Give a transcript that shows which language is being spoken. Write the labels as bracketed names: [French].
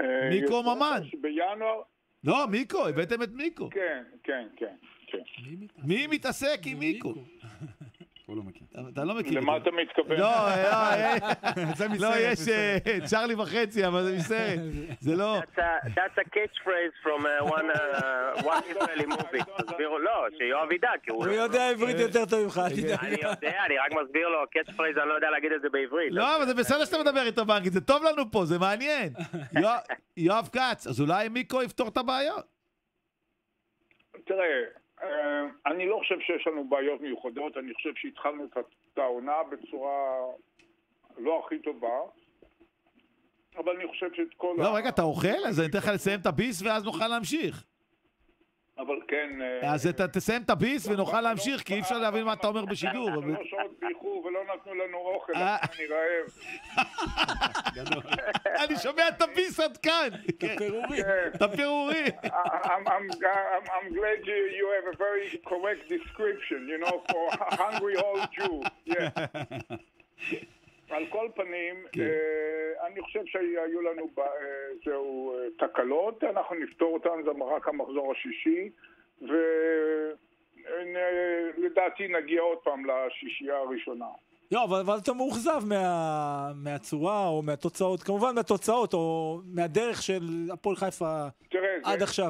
[Hebrew] מיקו ממן. בינואר... לא, מיקו, הבאתם את מיקו. כן, כן, כן. מי מתעסק עם מיקו? אתה לא מכיר. למה אתה מתכוון? לא, זה מסרט. לא, יש צ'רלי וחצי, אבל זה מסרט. זה לא... [English] That's a catch phrase from one Israeli movie. [Hebrew] תסבירו, לא, שיואב ידע, כי הוא... הוא יודע עברית יותר טוב ממך. אני יודע, אני רק מסביר לו, catch phrase, אני לא יודע להגיד את זה בעברית. לא, אבל זה בסדר שאתה מדבר איתו בנקי, זה טוב לנו פה, זה מעניין. יואב כץ, אז אולי מיקו יפתור את הבעיות? תראה... אני לא חושב שיש לנו בעיות מיוחדות, אני חושב שהתחלנו את התאונה בצורה לא הכי טובה, אבל אני חושב שאת כל... לא, רגע, אתה אוכל? אז אני אתן לך לסיים את הביס ואז נוכל להמשיך. אבל כן... אז אתה תסיים את הביס ונוכל להמשיך, כי אי אפשר להבין מה אתה אומר בשידור. אנחנו לא שעות ביחור ולא נתנו לנו אוכל, אני רעב. אני שומע את הביס עד כאן. את הפירורי. [English] I'm glad you have a very correct description, you know, for hungry old Jew. [Hebrew] על כל פנים, אני חושב שהיו לנו זהו תקלות, אנחנו נפתור אותן, זה רק המחזור השישי, ולדעתי נגיע עוד פעם לשישייה הראשונה. לא, אבל אתה מאוכזב מהצורה או מהתוצאות, כמובן מהתוצאות או מהדרך של הפועל חיפה עד עכשיו.